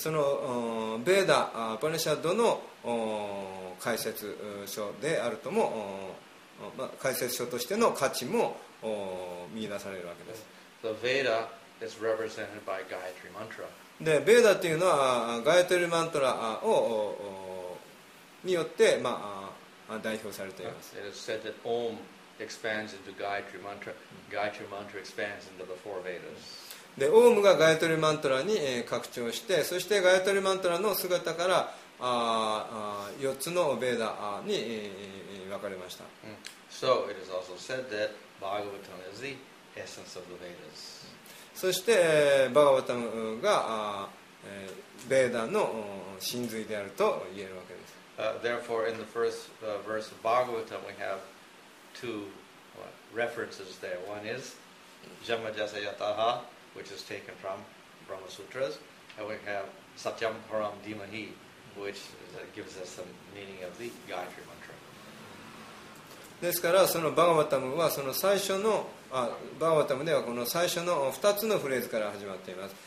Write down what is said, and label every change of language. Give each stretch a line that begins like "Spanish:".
Japanese: そのベーダー、パニシャッドの解説書であるとも、まあ、解説書としての価値も見出されるわけです。
English: The Veda is represented by Gayatri Mantra.
Japanese: で、ベーダーというのはガイアトリマントラをによって、まあ、代表されています。
English: It is said that Om expands into Gayatri Mantra. Gayatri Mantra expands into the four Vedas.
Japanese: でオウムがガヤトリマントラに拡張してそしてガヤトリマントラの姿から4つのベーダーに分かれました。
English: So it is also said that Bhagavatam is the essence of the Vedas.
Japanese: そしてバガヴァタムがベーダーの真髄であると言えるわけです。
English: Therefore in the first verse of Bhagavatam we have two references there. One is Jamajasa Yataha. Which is taken from Brahma Sutras, and we have Satyam Param Dimahi, which gives us the meaning of the Gayatri Mantra.
Japanese: ですから、そのバガヴァタムはその最初のバガヴァタムではこの最初の二つのフレーズから始まっています。